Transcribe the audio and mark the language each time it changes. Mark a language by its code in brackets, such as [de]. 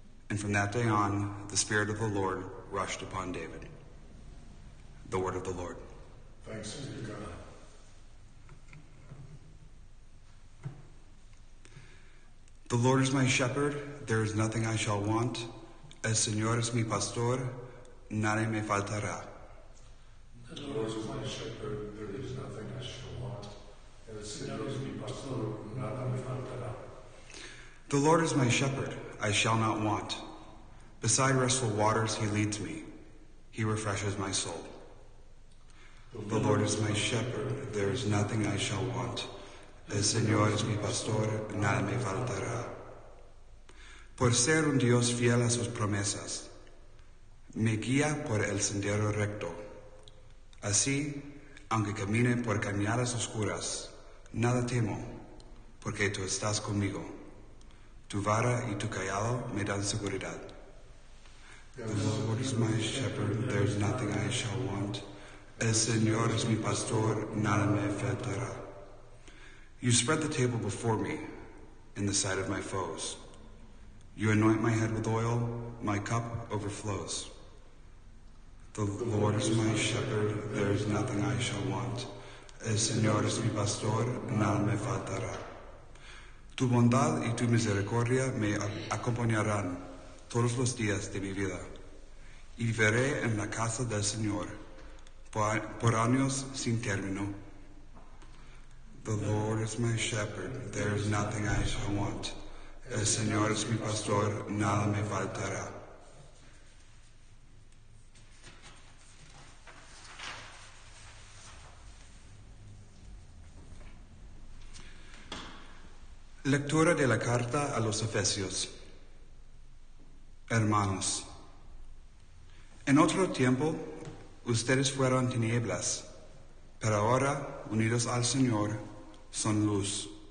[en] And from that day on, the Spirit of the Lord rushed upon David. The word of the Lord. Thanks be to God. The Lord is my shepherd, there is nothing I shall want. [es] El Señor es mi pastor, nada me faltará. [en] The Lord is my shepherd, there is nothing I shall want. [es] El Señor es mi pastor, nada me faltará. [en] The Lord is my shepherd, I shall not want. Beside restful waters he leads me, he refreshes my soul. The Lord is my shepherd, there is nothing I shall want. [es] El Señor es mi pastor, nada me faltará. Por ser un Dios fiel a sus promesas, me guía por el sendero recto. Así, aunque camine por cañadas oscuras, nada temo, porque tú estás conmigo. Tu vara y tu callado me dan seguridad. [en] The Lord is my shepherd, there is nothing I shall want. [es] El Señor es mi pastor, nada me faltará. [en] You spread the table before me in the sight of my foes. You anoint my head with oil, my cup overflows. The Lord is my shepherd, there is nothing I shall want. [es] El Señor es mi pastor, nada me faltará. Tu bondad y tu misericordia me acompañarán todos los días de mi vida. Y viviré en la casa del Señor por años sin término. [en] The Lord is my shepherd, there is nothing I shall want. [es] El Señor es mi pastor, nada me faltará. Lectura de la carta a los Efesios. Hermanos, en otro tiempo ustedes fueron tinieblas, pero ahora, unidos al Señor, son luz.